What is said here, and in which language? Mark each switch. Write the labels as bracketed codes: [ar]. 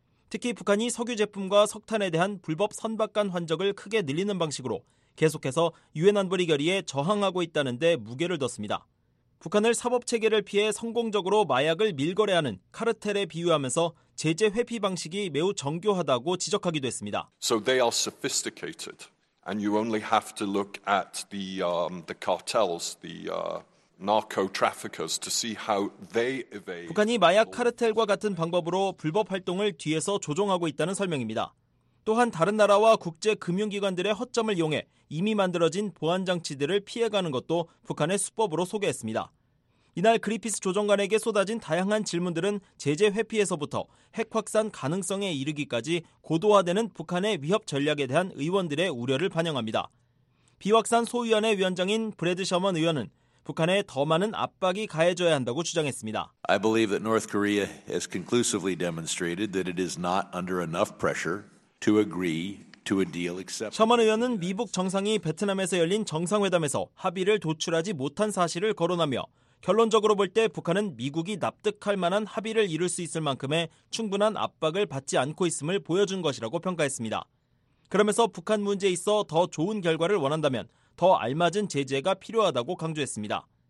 [ko] 특히 북한이 석유 제품과 석탄에 대한 불법 선박 간 환적을 크게 늘리는 방식으로 계속해서 유엔 안보리 결의에 저항하고 있다는 데 무게를 뒀습니다. 북한을 사법체계를 피해 성공적으로 마약을 밀거래하는 카르텔에 비유하면서 제재 회피 방식이 매우 정교하다고 지적하기도 했습니다. [en] So they are sophisticated and you only have to look at the cartels, the narco traffickers to see how they evade. [ko] 북한이 마약 카르텔과 같은 방법으로 불법 활동을 뒤에서 조종하고 있다는 설명입니다. 또한 다른 나라와 국제 금융 기관들의 허점을 이용해 이미 만들어진 보안 장치들을 피해가는 것도 북한의 수법으로 소개했습니다. 이날 그리피스 조정관에게 쏟아진 다양한 질문들은 제재 회피에서부터 핵 확산 가능성에 이르기까지 고도화되는 북한의 위협 전략에 대한 의원들의 우려를 반영합니다. 비확산 소위원회 위원장인 브래드 셔먼 의원은 북한에 더 많은 압박이 가해져야 한다고 주장했습니다. [en] I believe that North Korea has conclusively demonstrated that it is not under enough pressure to agree to a deal except. [ko] 셔먼 의원은 미북 정상이 베트남에서 열린 정상회담에서 합의를 도출하지 못한 사실을 거론하며 결론적으로 볼 때 북한은 미국이 납득할 만한 합의를 이룰 수 있을 만큼의 충분한 압박을 받지 않고 있음을 보여준 것이라고 평가했습니다. 그러면서 북한 문제에 있어 더 좋은 결과를 원한다면 더 알맞은 제재가 필요하다고 강조했습니다.